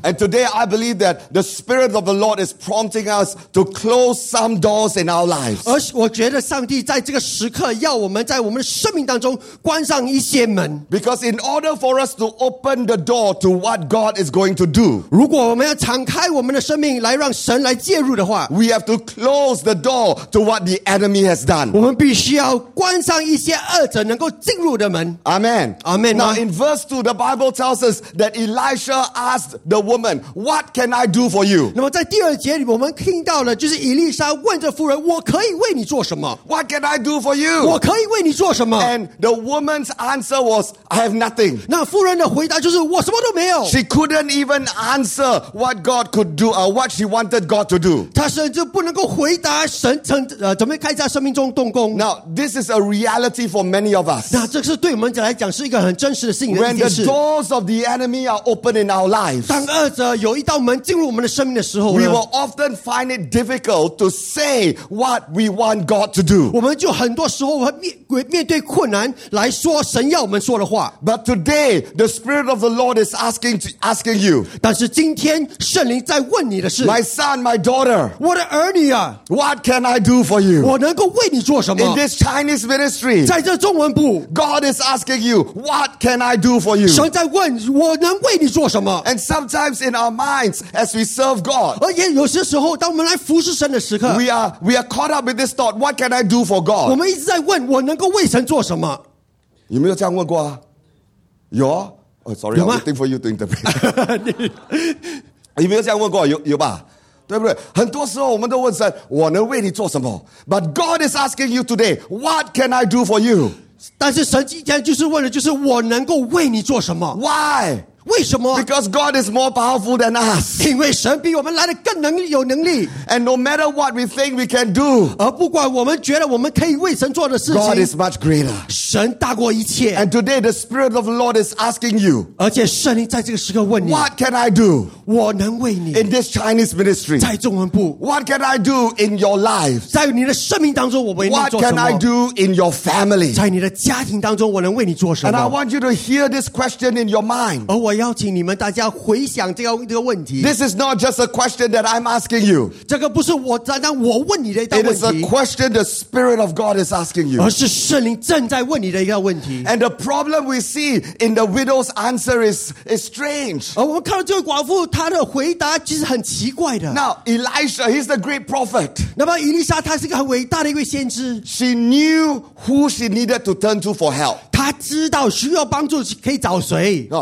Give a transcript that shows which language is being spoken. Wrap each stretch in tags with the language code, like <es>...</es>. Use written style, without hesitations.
<en>And today I believe that the Spirit of the Lord is prompting us to close some doors in our lives.</en> <zh>而我觉得上帝在这个时刻要我们在我们的生命当中关上一些门。</zh> <en>Because in order for us to open the door to what God is going to do,</en> <zh>如果我们要敞开我们的生命来让神来介入的话，</zh> <en>we have to close the door to what the enemy has done.</en> <zh>我们必须要关上一些恶者能够进入的门。</zh> <en>Amen. Amen. Now in verse 2, the Bible tells us that Elisha asked the woman, "What can I do for you?"</en> <zh>那么在第二节里，我们听到了，就是以利沙问着夫人，我可以为你做什么？</zh> <en>What can I do for you?</en> <zh>我可以为你做什么？</zh> <en>And the woman's answer was, "I have nothing."</en> <zh>那夫人的回答就是我什么都没有。</zh> <en>She couldn't even answer what God could do or what she wanted God to do.</en> <zh>她甚至不能够回答神曾怎么开在生命中动工。</zh> <en>Now this is a reality for many of us.</en> <zh>那这是对我们来讲是一个很真实的事情。</zh> <en>When the doors of the enemy are open in our lives.</en> <zh>当恶者有一道门进入我们的生命的时候，</zh> <en>we will often find it difficult to say what we want God to do.</en> <zh>我们就很多时候面对困难来说神要我们说的话。</zh> <en>But today, the Spirit of the Lord is asking you.</en> <zh>但是今天圣灵在问你的是，</zh> <en>My son, my daughter,</en> <zh>我的儿女啊，</zh> <en>what can I do for you?</en> <zh>我能够为你做什么？</zh> <en>In this Chinese ministry,</en> <zh>在这中文部，</zh> <en>God is asking you, what can I do for you?</en> <zh>神在问我能为你做什么？</zh> <en>And sometimes in our minds, as we serve God,</en> <zh>而且有些时候，当我们来服侍神的时刻，</zh> <en>we are caught up with this thought, what can I do for God?</en> <zh>我们一直在问，我能够为神做什么？有没有这样问过啊？有啊。</zh> <en>Oh, sorry,</en> <zh>有吗？</zh> <en>I'm waiting for you to interpret.</en> <zh>有没有这样问过？有吧？对不对？很多时候我们都问神，我能为你做什么？</zh> <en>But God is asking you today, what can I do for you?</en> <zh>但是神今天就是问的，就是我能够为你做什么</zh> <en>？Why？</en> <zh>为什么?</zh> <en>Because God is more powerful than us.</en> <zh>因为神比我们来得更能有能力。</zh> <en>And no matter what we think we can do,</en> <zh>而不管我们觉得我们可以为神做的事情,</zh> <en>God is much greater.</en> <zh>神大过一切。</zh> <en>And today the Spirit of the Lord is asking you,</en> <zh>而且圣灵在这个时刻问你,</zh> <en>What can I do?</en> <zh>我能为你。</zh> <en>In this Chinese ministry,</en> <zh>在中文部。</zh> <en>What can I do in your life?</en> <zh>在你的生命当中我为你做什么?</zh> <en>What can I do in your family?</en> <zh>在你的家庭当中我能为你做什么?</zh> <en>And I want you to hear this question in your mind.</en> <zh>而我邀请你们大家回想这个问题。</zh> <en>This is not just a question that I'm asking you.</en> <zh>这个不是我单单我问你的一道问题。</zh> <en>It is a question the Spirit of God is asking you.</en> <zh>而是圣灵正在问你的一个问题。</zh> <en>And the problem we see in the widow's answer is strange.</en> <zh>而我们看到这个寡妇她的回答其实很奇怪的。</zh> <en>Now Elisha, he's the great prophet.</en> <zh>那么以利沙他是一个很伟大的一位先知。</zh> <en>She knew who she needed to turn to for help.</en> <zh>她知道需要帮助可以找谁。</zh>